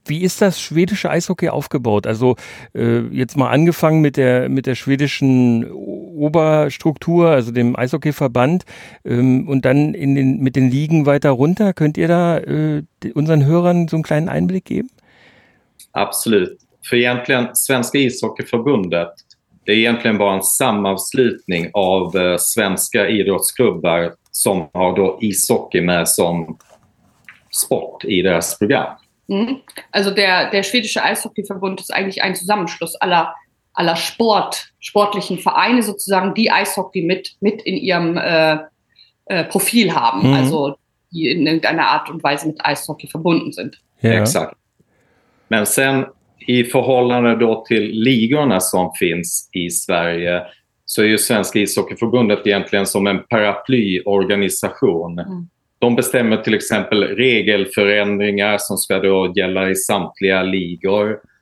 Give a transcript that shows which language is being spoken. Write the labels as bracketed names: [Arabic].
[German] Wie ist das schwedische Eishockey aufgebaut? Also jetzt mal angefangen mit der schwedischen Oberstruktur, also dem Eishockey-Verband und dann mit den Ligen weiter runter. Könnt ihr da unseren Hörern so einen kleinen Einblick geben? Absolut. [Swedish] För egentligen Svenska ishockeyförbundet, det är egentligen bara en sammanslutning av svenska idrottsklubbar som har då ishockey med som sport i deras program. [German] Also der schwedische Eishockeyverbund ist eigentlich ein Zusammenschluss aller sportlichen Vereine sozusagen, die Eishockey mit in ihrem Profil haben, also die in irgendeiner Art und Weise mit Eishockey verbunden sind. Ja. Exakt. [Swedish] Men sen i förhållande då till ligorna som finns i Sverige så är ju Svenska ishockeyförbundet egentligen som en paraplyorganisation. Mm. De bestämmer till exempel regelförändringar som ska då gälla i samtliga ligor.